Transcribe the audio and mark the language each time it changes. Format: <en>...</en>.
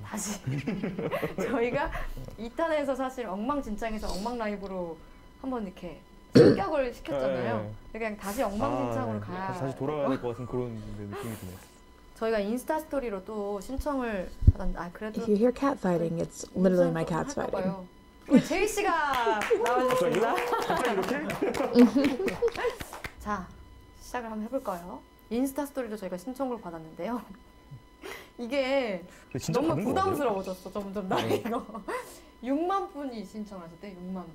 <ko>다시 저희가 2탄에서 사실 엉망진창에서 엉망라이브로 한번 이렇게 승격을 시켰잖아요. 네, 그냥 다시 엉망진창으로 가야 다시 돌아가야 될 것 같은 그런 느낌이 드네요. 저희가 인스타 스토리로 또 신청을 받았는데 그래도</ko> <en>If you hear cat fighting, it's literally my cat's fighting.</en> <ko>우리 제이 씨가 나와주셨습니다. 자, 시작을 한번 해볼까요? 인스타 스토리도 저희가 신청을 받았는데요. 이게 너무 부담스러워졌어, 점점 나이가. 6만 분이 신청하셨대, 6만 분.</ko>